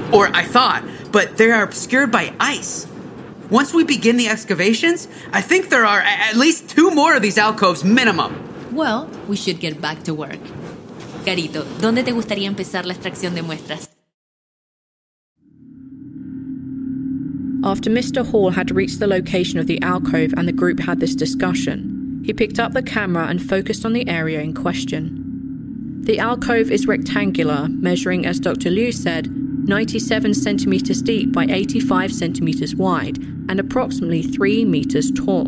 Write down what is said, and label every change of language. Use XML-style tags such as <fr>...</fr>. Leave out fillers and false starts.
<en>Or I thought, but they are obscured by ice. Once we begin the excavations, I think there are at least 2 more of these alcoves minimum. Well, we should get back to work.</en> <es>Carito, ¿dónde te gustaría empezar la extracción de muestras?</es> <en>After Mr. Hall had reached the location of the alcove and the group had this discussion, he picked up the camera and focused on the area in question. The alcove is rectangular, measuring, as Dr. Liu said, 97 centimeters deep by 85 centimeters wide and approximately 3 meters tall.</en>